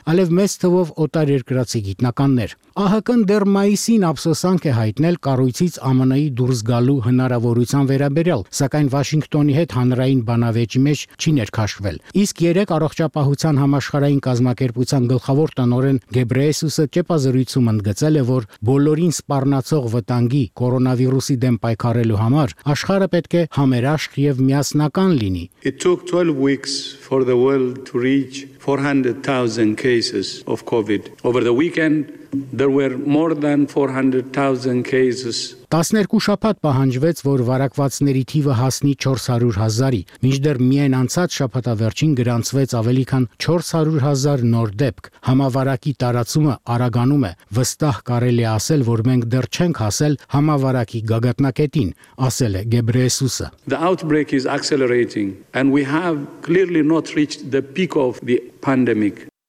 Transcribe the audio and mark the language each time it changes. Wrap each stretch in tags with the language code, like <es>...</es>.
<hy>այլև մեծ թվով օտարերկրացի գիտնականներ։ ԱՀԿ-ն դեռ մայիսին ափսոսանք է հայտնել կառույցից ԱՄՆ-ի դուրս գալու հնարավորության վերաբերյալ, սակայն Վաշինգտոնի հետ հանրային բանավեճի մեջ չի ներքաշվել։ Իսկ երեկ առողջապահության համաշխարհային կազմակերպության գլխավոր տնօրեն Գեբրեյեսուսը ճեպազրույցում ընդգծել է, որ բոլորին սպառնացող վտանգի կորոնավիրուսի դեմ պայքարելու համար աշխարհը պետք է համերաշխ և միասնական լինի։</hy> <en>It took 12 weeks for the world to reach 400,000 cases of COVID. Over the weekend, there were more than 400,000 cases.</en> <hy>12 շաբաթ պահանջվեց, որ վարակվածների թիվը հասնի 400 000-ի, մինչդեռ միայն անցած շաբաթավերջին գրանցվեց ավելի քան 400 000 նոր դեպք։ Համավարակի տարածումը արագանում է, վստահ կարելի ասել, որ մենք դեռ չենք հասել համավարակի գագաթնակետին, ասել է Գեբրեյեսուսը։</hy> <en>The outbreak is accelerating and we have clearly not reached the peak of the pandemic.</en>